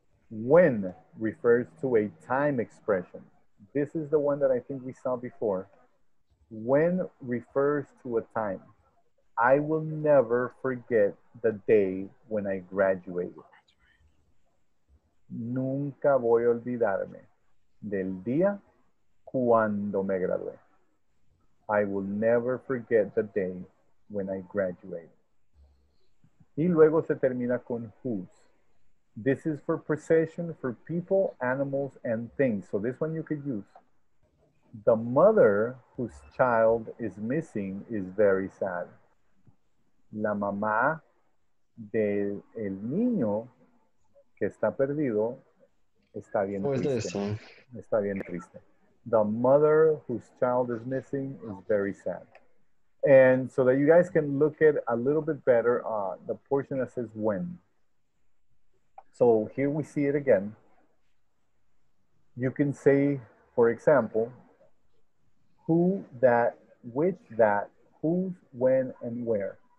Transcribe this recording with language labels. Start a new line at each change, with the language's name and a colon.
English: When refers to a time expression. This is the one that I think we saw before. When refers to a time. I will never forget the day when I graduated.
Spanish: Nunca voy a olvidarme del día cuando me gradué.
English: I will never forget the day when I graduated.
Spanish: Y luego se termina con
English: whose. This is for possession, for people, animals, and things. So this one you could use. The mother whose child is missing is very sad.
Spanish: La mamá del el niño que está perdido está bien triste. Está bien triste.
English: The mother whose child is missing is very sad. And so that you guys can look at a little bit better the portion that says when. So here we see it again. You can say, for example, who, that, which, that, whose, when, and where.